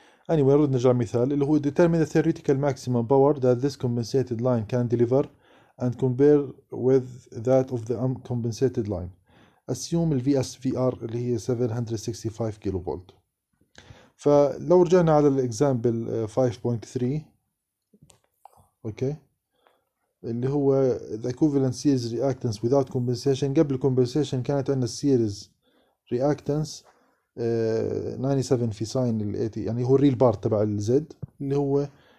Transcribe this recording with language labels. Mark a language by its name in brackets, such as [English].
[Arabic] اني وين رد نرجع مثال اللي هو [English] Determine the theoretical maximum power that this compensated line can deliver and compare with that of the uncompensated line. Assume الفي S V R [Arabic] اللي هي [English] 765 kilo volt. [Arabic] فلو رجعنا على الاكزامبل 5.3 اوكي اللي هو [English] the equivalent series reactance without compensation. [Arabic] قبل compensation كانت عندنا [English] series reactance [Arabic] 97 في ساين ال 80، يعني هو الريل بارت تبع الزد اللي هو 96.88.